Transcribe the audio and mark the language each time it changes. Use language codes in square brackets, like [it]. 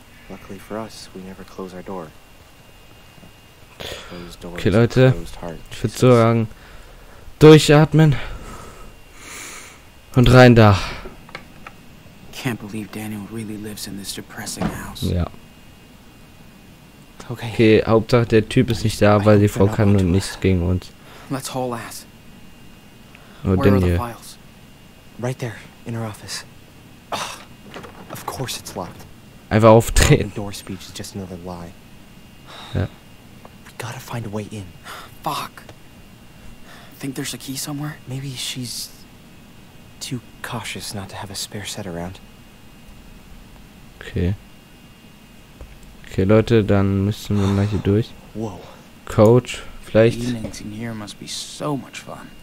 [en] Luckily for us, we never close our door. [de] Okay, Leute. Ich würde sagen, durchatmen und rein da. [en] Can't believe Daniel really lives in this depressing house. [de] Ja. Okay. Okay, Hauptsache der Typ ist nicht da, weil die Frau kann und nichts gegen uns. [en] Let's haul ass. Oh, Daniel. Where are the files? Right there, in her office. Oh, of course it's locked. [de] Einfach auftreten. [en] The door speech is just another lie. [de] Ja. [en] We gotta find a way in. Fuck. Think there's a key somewhere? Maybe she's too cautious not to have a spare set around. Okay. [de] Okay, Leute, dann müssen wir mal hier durch. Whoa. Coach, vielleicht. [en] The evenings in here must be so much fun.